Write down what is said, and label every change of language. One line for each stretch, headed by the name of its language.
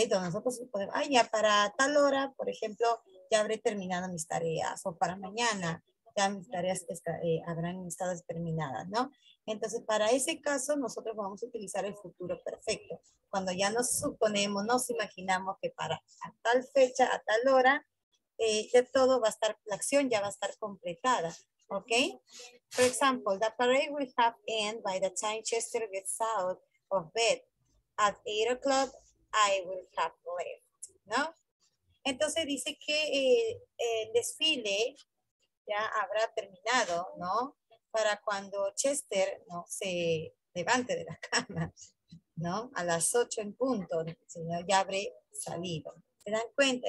Spanish: Donde nosotros podemos, ay, ya para tal hora, por ejemplo, ya habré terminado mis tareas, o para mañana ya mis tareas habrán estado terminadas, ¿no? Entonces, para ese caso, nosotros vamos a utilizar el futuro perfecto. Cuando ya nos suponemos, nos imaginamos que para tal fecha, a tal hora, ya todo va a estar, la acción ya va a estar completada, ¿ok?
English: For example, the parade will have ended by the time Chester gets out of bed. At 8 o'clock, I will have left, ¿no?
Spanish: Entonces, dice que el desfile ya habrá terminado, ¿no? Para cuando Chester, ¿no?, se levante de la cama, ¿no? A las 8 en punto, ¿no?, ya habré salido. ¿Se dan cuenta?